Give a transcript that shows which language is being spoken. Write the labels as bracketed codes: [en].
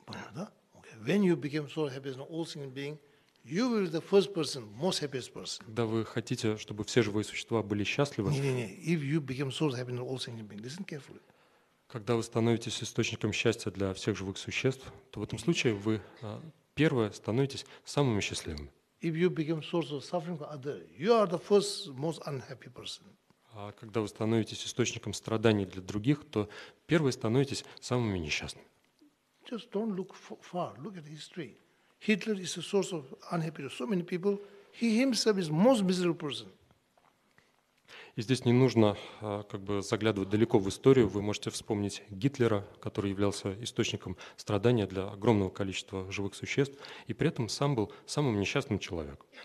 [ru] Понятно, да? [en] When you become so happy as an all sentient being, you will be the first person, most happiest person. [ru] Когда вы хотите, чтобы все живые существа были счастливы? Не. [en] If you become so happy as an all sentient being, listen carefully. [ru] Когда вы становитесь источником счастья для всех живых существ, то в этом случае вы первое становитесь самым счастливым. [en] If you become source of suffering for others, you are the first most unhappy person. [ru] А когда вы становитесь источником страданий для других, то первое становитесь самыми несчастными. [en] Just don't look far. Look at history. Hitler is a source of unhappiness. So many people. He himself is most miserable person. [ru] И здесь не нужно как бы заглядывать далеко в историю. Вы можете вспомнить Гитлера, который являлся источником страдания для огромного количества живых существ, и при этом сам был самым несчастным человеком.